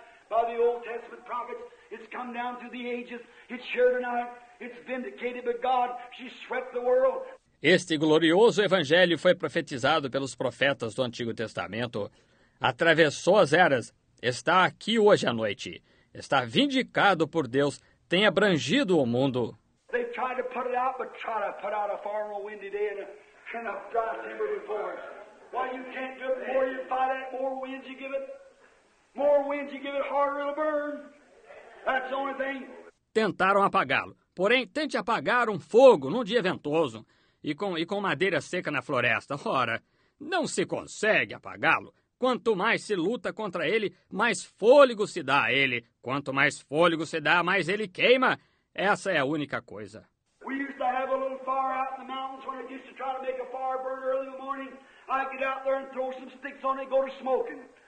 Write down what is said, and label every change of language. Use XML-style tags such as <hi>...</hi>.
<en>By the Old Testament prophets, it's come down through the ages, it's here tonight, it's vindicated by God, she swept the world.</en> <pt>Este glorioso evangelho foi profetizado pelos profetas do Antigo Testamento, atravessou as eras, está aqui hoje à noite, está vindicado por Deus, tem abrangido o mundo.</pt> <en>They tried to put it out, but tried to put out a far more windy day and a dry timber before it. Why, you can't do it, the more you fight it, the more winds you give it. More winds, you give it harder, it'll burn. That's the only thing.</en> <pt>Tentaram apagá-lo. Porém, tente apagar um fogo num dia ventoso e com madeira seca na floresta. Ora, não se consegue apagá-lo. Quanto mais se luta contra ele, mais fôlego se dá a ele. Quanto mais fôlego se dá, mais ele queima. Essa é a única coisa.</pt> <en>We used to have a little fire out in the mountains when I used to try to make a fire burn early in the morning. I'd get out there and throw some sticks on it and go to smoking.</en>